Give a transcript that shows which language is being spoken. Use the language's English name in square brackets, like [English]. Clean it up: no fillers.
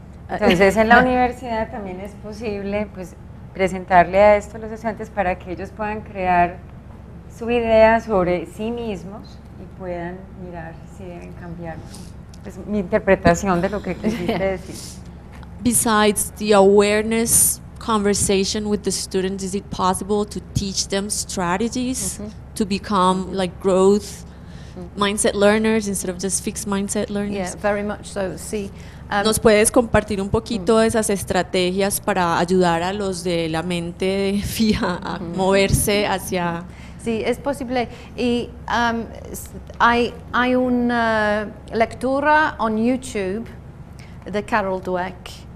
[Spanish] Entonces, en la universidad también es posible pues presentarle a esto a los estudiantes para que ellos puedan crear su idea sobre sí mismos y puedan mirar si deben cambiar. Es mi interpretación de lo que quisiste decir. [English] Besides the awareness conversation with the students, is it possible to teach them strategies to become like growth mindset learners instead of just fixed mindset learners? Yeah, very much so. Sí. [Spanish] ¿Nos puedes compartir un poquito esas estrategias para ayudar a los de la mente fija a moverse hacia Sí, es posible. Y hay una lectura en YouTube de Carol Dweck.